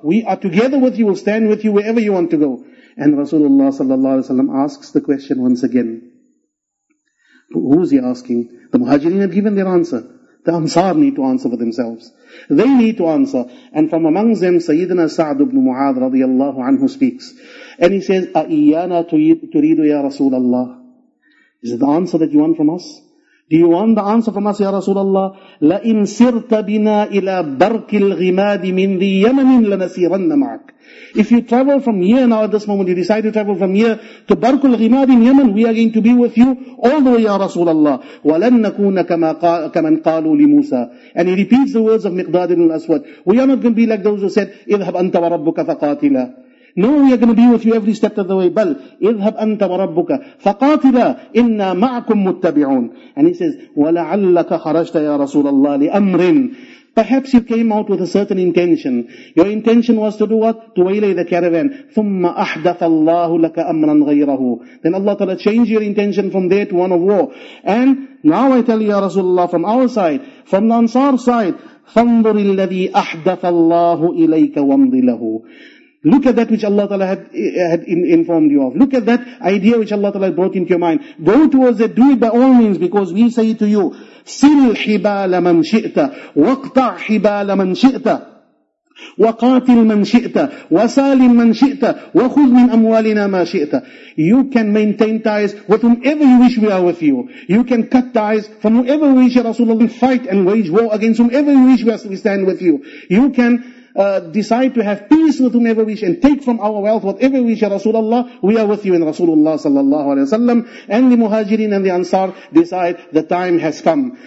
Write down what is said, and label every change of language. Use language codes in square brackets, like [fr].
[en] We are together with you, we'll stand with you wherever you want to go. And Rasulullah sallallahu alayhi wa sallam asks the question once again. Who is he asking? The Muhajirin have given their answer. The Ansar need to answer for themselves. They need to answer. And from among them, Sayyidina Sa'd ibn Mu'adh radiallahu anhu speaks. And he says, [ar] أَإِيَّانَا تُرِيدُ يَا رَسُولَ اللَّهِ. [en] Is it the answer that you want from us? Do you want the answer from us, Ya Rasulullah? [ar] لَإِنْ سِرْتَ بِنَا إِلَىٰ بَرْكِ الْغِمَادِ مِنْ ذِي يَمَنٍ لَنَسِيرَنَّ مَعَكَ. [en] If you travel from here now at this moment, you decide to travel from here to Barkul Ghimad in Yemen, we are going to be with you all the way, Ya Rasulullah. [ar] وَلَنْ نَكُونَ كَمَنْ قَالُوا لِمُوسَى. [en] And he repeats the words of Miqdad ibn al-Aswad. We are not going to be like those who said, [ar] اِذْهَبْ أَنْتَ وَرَبُّكَ فَقَاتِلَا. [en] No, we are going to be with you every step of the way. [ar] بَلْ اِذْهَبْ أَنْتَ وَرَبُّكَ فَقَاتِلَا إِنَّا مَعْكُمْ مُتَّبِعُونَ. [en] And he says, [ar] وَلَعَلَّكَ خَرَجْتَ يَا رَسُولَ اللَّهِ لِأَمْرٍ. [en] Perhaps you came out with a certain intention. Your intention was to do what? To waylay the caravan. [ar] ثُمَّ أَحْدَثَ اللَّهُ لَكَ أَمْرًا غَيْرَهُ. [en] Then Allah Ta'ala changed your intention from there to one of war. And now I tell you, Ya Rasulullah, from our side, from the Ansar side, [ar] فانظر الذي احدث الله اليك وامض له. [en] Look at that which Allah Ta'ala had informed you of. Look at that idea which Allah Ta'ala brought into your mind. Go towards it, do it by all means, because we say to you, [ar] سِلْ حِبَالَ مَنْ شِئْتَ وَاقْطَعْ حِبَالَ مَنْ شِئْتَ وَقَاتِلْ مَنْ شِئْتَ وَسَالِمْ مَنْ شِئْتَ وَخُذْ مِنْ أَمْوَالِنَا مَا شِئْتَ. [en] You can maintain ties with whomever you wish, we are with you. You can cut ties from whoever you wish, Rasulullah, fight and wage war against whomever you wish, we stand with you. You can decide to have peace with whomever we wish and take from our wealth whatever we wish, Ya Rasulullah, we are with you. And Rasulullah sallallahu alayhi wa sallam and the Muhajirin and the Ansar decide the time has come.